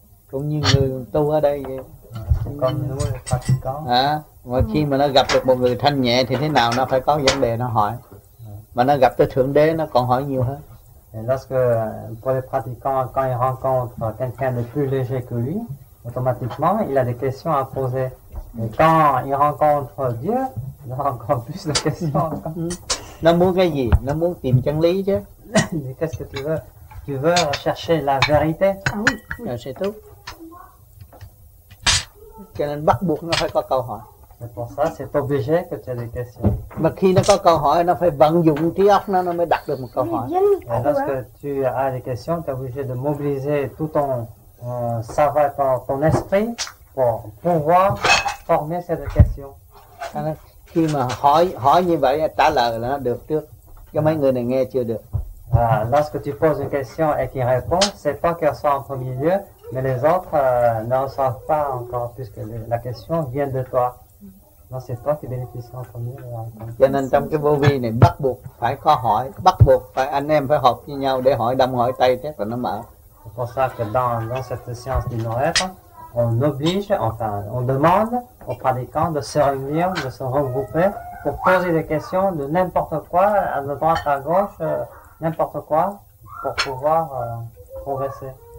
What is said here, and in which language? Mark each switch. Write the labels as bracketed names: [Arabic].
[Vietnamese] cũng như người tu ở đây vậy. Con nó mới thật có. Hả? Mà khi mà nó gặp được một người thanh nhẹ thì thế nào nó phải có vấn đề nó hỏi. Mà nó gặp tới Thượng Đế nó còn hỏi nhiều hơn. [French] Et lorsque pour les pratiquants, quand ils rencontrent quelqu'un de plus léger que lui, automatiquement il a des questions à poser. Mais quand il rencontre Dieu, il a encore plus de questions. [Vietnamese] Nó muốn cái gì? Nó muốn tìm chân lý chứ. [French] Mais qu'est-ce que tu veux? Tu veux chercher la vérité? Ah oui, oui. C'est tout. [Vietnamese] Cho nên bắt buộc nó phải có câu hỏi. [French] C'est pour ça, c'est obligé que tu as des questions. [Vietnamese] Mà khi nó có câu hỏi, nó phải vận dụng trí óc nó mới đặt được một câu hỏi. [French] Et lorsque tu as des questions, tu es obligé de mobiliser tout ton savoir, ton esprit pour pouvoir former cette question. [Vietnamese] Khi mà hỏi như vậy, trả lời là nó được trước. Cái mấy người này nghe chưa được. [French] Lorsque tu poses une question et qu'il répond, c'est pas qu'il soit en premier lieu, mais les autres ne savent pas encore puisque la question vient de toi. Non, c'est toi qui bénéficie en premier. [Vietnamese] Cho nên trong cái vô vi này bắt buộc phải có hỏi, bắt buộc phải anh em phải họp với nhau để hỏi đông hỏi tây thế rồi nó mở. [French] C'est pour ça que dans cette science du Nord-Est, on oblige, enfin, on demande aux pratiquants de se réunir, de se regrouper pour poser des questions de n'importe quoi, à droite, à gauche. N'importe quoi pour pouvoir progresser.